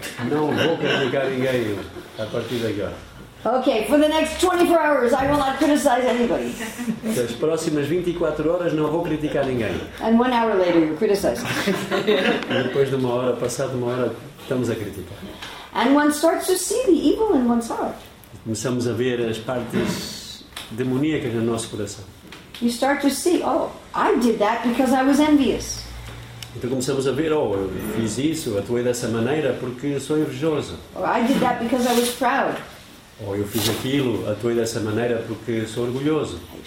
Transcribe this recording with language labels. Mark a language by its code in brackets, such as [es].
[pt] Não vou criticar ninguém a partir de agora. [en] Okay, for the next 24 hours, I will not criticize anybody. [pt] Nas próximas 24 horas, não vou criticar ninguém. [en] And 1 hour later, you criticize. [pt] E depois de uma hora, passado uma hora, estamos a criticar. [en] And one starts to see the evil in one's heart. [pt] Começamos a ver as partes demoníacas no nosso coração. [en] You start to see, oh, I did that because I was envious. [pt] Então começamos a ver, oh, eu fiz isso, atuei dessa maneira porque sou invejoso. [en] Or I did that because I was proud. [pt] Ou eu fiz aquilo, atuei dessa maneira porque sou orgulhoso.